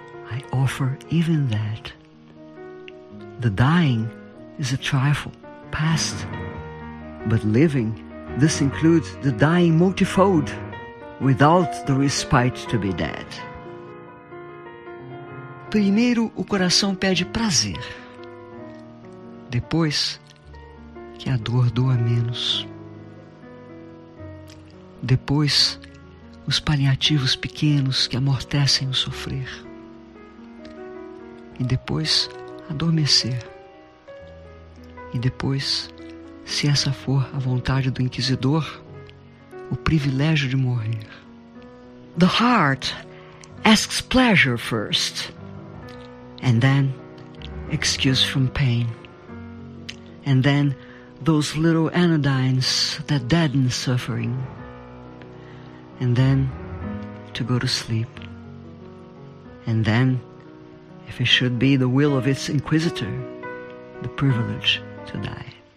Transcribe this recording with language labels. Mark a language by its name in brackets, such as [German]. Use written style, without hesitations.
[English] I offer even that. The dying is a trifle, past. But living, this includes the dying multifold, without the respite to be dead. [Portuguese] Primeiro o coração pede prazer, depois que a dor doa menos. Depois os paliativos pequenos que amortecem o sofrer. E depois adormecer. E depois, se essa for a vontade do inquisidor, o privilégio de morrer. [English] The heart asks pleasure first, and then excuse from pain. And then those little anodynes that deaden suffering. And then to go to sleep. And then, if it should be the will of its inquisitor, the privilege to die.